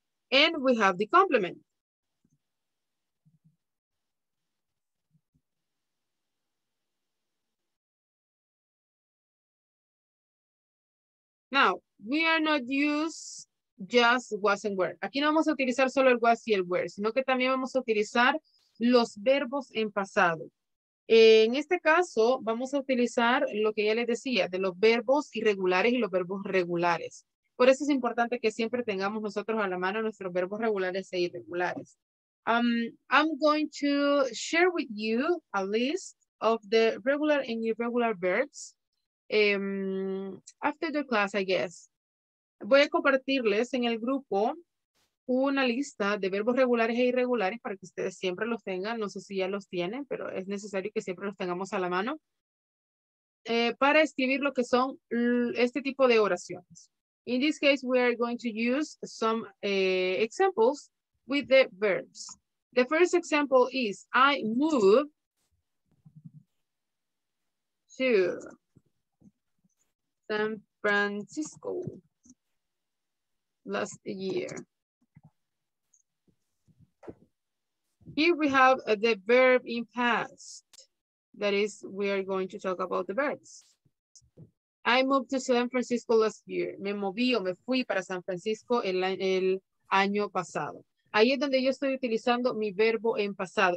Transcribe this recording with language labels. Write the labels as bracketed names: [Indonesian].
[English] And we have the complement. Now, we are not use just was and were. [Spanish] Aquí no vamos a utilizar solo el was y el were, sino que también vamos a utilizar los verbos en pasado. En este caso, vamos a utilizar lo que ya les decía, de los verbos irregulares y los verbos regulares. Por eso es importante que siempre tengamos nosotros a la mano nuestros verbos regulares e irregulares. [English] I'm going to share with you a list of the regular and irregular verbs. After the class, I guess. [Spanish] Voy a compartirles en el grupo una lista de verbos regulares e irregulares para que ustedes siempre los tengan. No sé si ya los tienen, pero es necesario que siempre los tengamos a la mano para escribir lo que son este tipo de oraciones. [English] In this case, we are going to use some examples with the verbs. The first example is I move to San Francisco last year. Here we have the verb in past. That is, we are going to talk about the verbs. I moved to San Francisco last year. [Spanish] Me moví o me fui para San Francisco el año pasado. Ahí es donde yo estoy utilizando mi verbo en pasado.